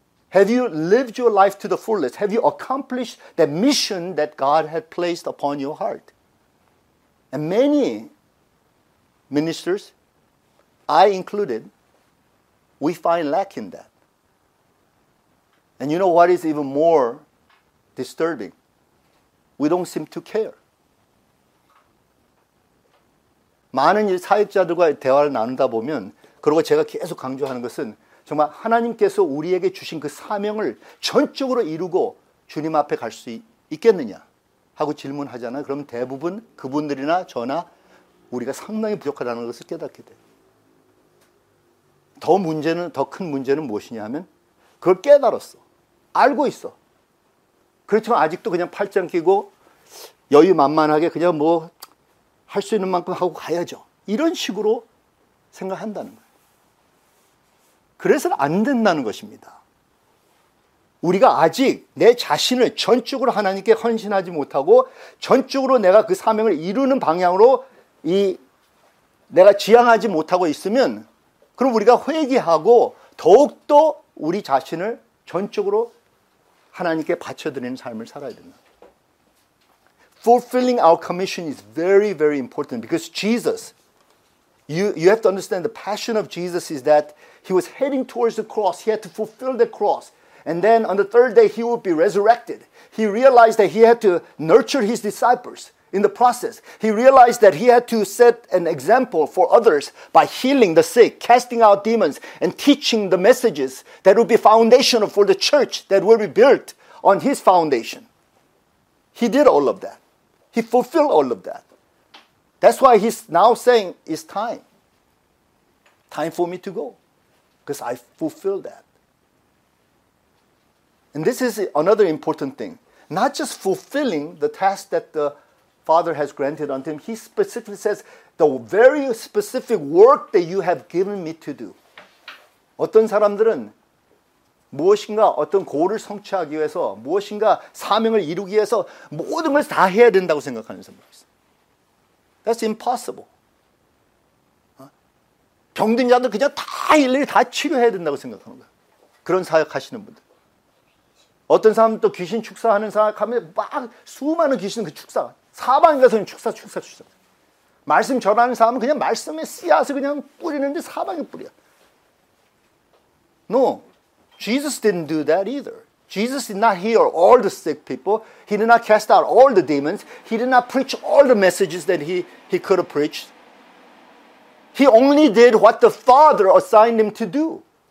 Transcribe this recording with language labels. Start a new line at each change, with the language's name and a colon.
English: Have you lived your life to the fullest? Have you accomplished the mission that God had placed upon your heart? And many ministers, I included, we find lack in that. And you know what is even more disturbing? We don't seem to care.
Korean: 많은 사역자들과 대화를 나누다 보면 그리고 제가 계속 강조하는 것은 정말 하나님께서 우리에게 주신 그 사명을 전적으로 이루고 주님 앞에 갈 수 있겠느냐 하고 질문하잖아요. 그러면 대부분 그분들이나 저나 우리가 상당히 부족하다는 것을 깨닫게 돼요. 더 문제는, 더 큰 문제는 무엇이냐 하면 그걸 깨달았어. 알고 있어. 그렇지만 아직도 그냥 팔짱 끼고 여유 만만하게 그냥 뭐 할 수 있는 만큼 하고 가야죠. 이런 식으로 생각한다는 거예요. 그래서 안 된다는 것입니다. 우리가 아직 내 자신을 전적으로 하나님께 헌신하지 못하고 전적으로 내가 그 사명을 이루는 방향으로 이 내가 지향하지 못하고 있으면 그럼 우리가 회개하고 더욱더 우리 자신을 전적으로 하나님께 바쳐드리는 삶을 살아야 됩니다.
English: Fulfilling our commission is very, very important because Jesus, You have to understand the passion of Jesus is that he was heading towards the cross. He had to fulfill the cross. And then on the third day, he would be resurrected. He realized that he had to nurture his disciples in the process. He realized that he had to set an example for others by healing the sick, casting out demons, and teaching the messages that would be foundational for the church that would be built on his foundation. He did all of that. He fulfilled all of that. That's why he's now saying, it's time. Time for me to go. Because I fulfilled that. And this is another important thing. Not just fulfilling the task that the Father has granted unto him. He specifically says, the very specific work that you have given me to do.
Korean: 어떤 사람들은 무엇인가 어떤 고를 성취하기 위해서 무엇인가 사명을 이루기 위해서 모든 걸 다 해야 된다고 생각하는 사람들이 있어요.
English: That's impossible.
Korean: 병든 자들 그냥 다 일일이 다 치료해야 된다고 생각하는 거야. 그런 사역하시는 분들. 어떤 사람 또 귀신 축사하는 사역 하면 막 수많은 귀신 그 축사. 사방에 가서는 축사, 축사, 축사. 말씀 전하는 사람은 그냥 말씀에 씨앗을 그냥 뿌리는데 사방에 뿌려.
English: No. Jesus didn't do that either. Jesus did not heal all the sick people. He did not cast out all the demons. He did not preach all the messages that he could have preached. He only did what the Father assigned him to do.